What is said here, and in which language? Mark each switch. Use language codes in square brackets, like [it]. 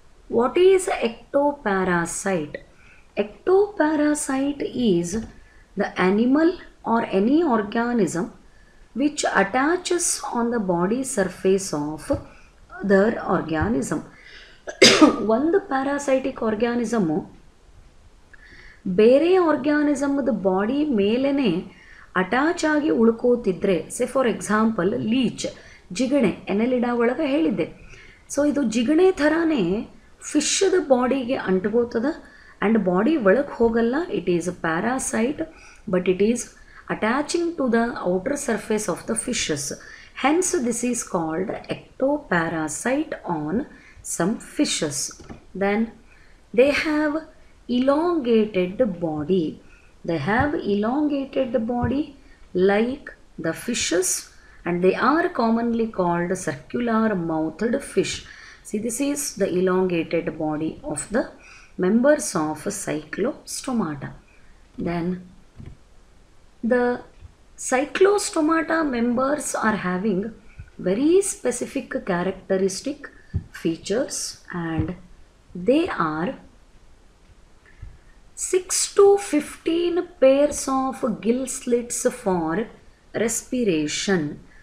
[en] What is ectoparasite? Ectoparasite is the animal or any organism which attaches on the body surface of other organism. One the parasitic organism, [kn] ಬೇರೆ ಆರ್ಗ್ಯಾನಿಸಮ್ದ body ಮೇಲೇ attach ಆಗಿ ಉಳ್ಕೋತಿದ್ರೆ, [en] say for example [kn] leach, ಜಿಗಣೆ ಎನೆಲಿಡಾ ಒಳಗೆ ಹೇಳಿದ್ದೆ. So ಇದು ಜಿಗಣೆ ಥರನೇ ಫಿಶ್ದ ಬಾಡಿಗೆ ಅಂಟ್ಕೋತದ, and body ಒಳಗೆ ಹೋಗಲ್ಲ. [en] It is a parasite, but it is attaching to the outer surface of the fishes. Hence this is called ectoparasite on some fishes. Then they have elongated body. They have elongated body like the fishes, and they are commonly called circular mouthed fish. See, this is the elongated body of the members of Cyclostomata. Then the Cyclostomata members are having very specific characteristic features, and they are 6 to 15 pairs of gill slits for respiration.